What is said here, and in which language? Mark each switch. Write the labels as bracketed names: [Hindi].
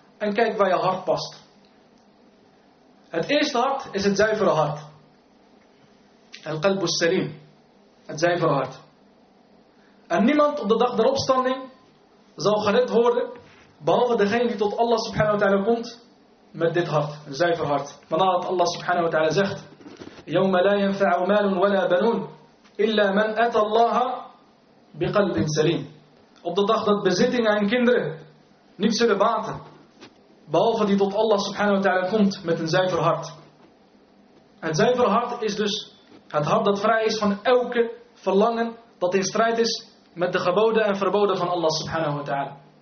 [Dutch] En kijk waar je hart past. Het eerste hart is het zuivere hart. Al-qalbu salim. Het zuivere hart. En niemand op de dag der opstanding zal gered worden, behalve degene die tot Allah subhanahu wa ta'ala komt, met dit hart, een zuiver hart. Vandaar dat [Arabic] Allah subhanahu wa ta'ala [Dutch] zegt, [Arabic] يَوْمَ لَا يَنْفَعُ مَالٌ وَلَا بَنُونَ إِلَّا مَنْ أَتَى اللَّهَ بِقَلْبٍ سَلِيمٍ. [Dutch] Op de dag dat bezittingen en kinderen niet zullen baten, behalve die tot Allah subhanahu wa ta'ala komt met een zuiver hart. Het zuiver hart is dus het hart dat vrij is van elke verlangen dat in strijd is met de geboden en verboden van Allah subhanahu wa ta'ala.